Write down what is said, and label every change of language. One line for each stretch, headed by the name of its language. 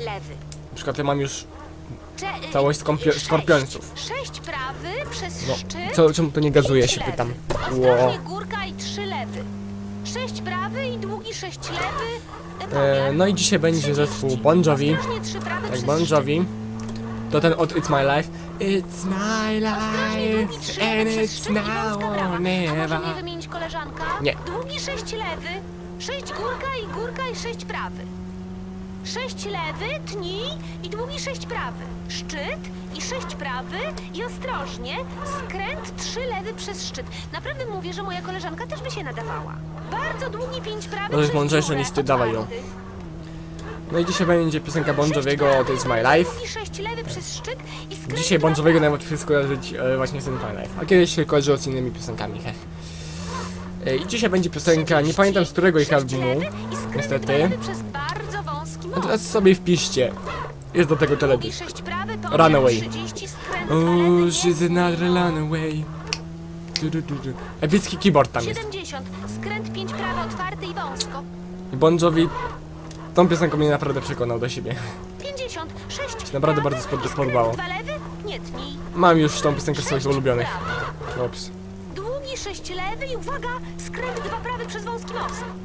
Polish: Na przykład ja mam już całość skorpiąców. 6 prawy przez no, szczyt. Co, czemu to nie gazuje się, pytam. Ostrożnie górka i 3 lewy. 6 prawy i długi 6 lewy. No i dzisiaj będzie zespół Bon Jovi. Tak, Bon Jovi. To ten od It's My Life.
English: It's my life and it's now or never.
Polish: Nie wymienić koleżanka? Nie. Długi 6 lewy. 6 górka i górka i 6 prawy. 6 lewy, tnij i długi 6 prawy. Szczyt i 6 prawy i ostrożnie, skręt 3 lewy przez szczyt. Naprawdę mówię, że moja koleżanka też by się nadawała. Bardzo długi 5 prawy przez szczyt. Mądrzejsze niż ty, dawaj ją. No i dzisiaj będzie piosenka Bon Jovi'ego, to jest My Life. Długi 6 lewy przez szczyt i skręt. Dzisiaj Bon Jovi'ego najłatwiej skojarzyć właśnie z tym My Life. A kiedyś się kojarzyło z innymi piosenkami, heh. I dzisiaj będzie piosenka, nie pamiętam z którego ich albumu, niestety. A teraz sobie wpiszcie. Jest do tego teledysk. Runaway.
English: Oh, she's another runaway.
Polish: Epicki keyboard tam jest. 70, skręt 5 prawy, otwarty i wąsko. Bon Jovi tą piosenką mnie naprawdę przekonał do siebie. 50, 6 naprawdę bardzo podobało. Skręt 2 lewy? pamiętnij. Mam już tą piosenkę swoich ulubionych. Ops. Długi 6 lewy i uwaga, skręt 2 prawy przez wąski most.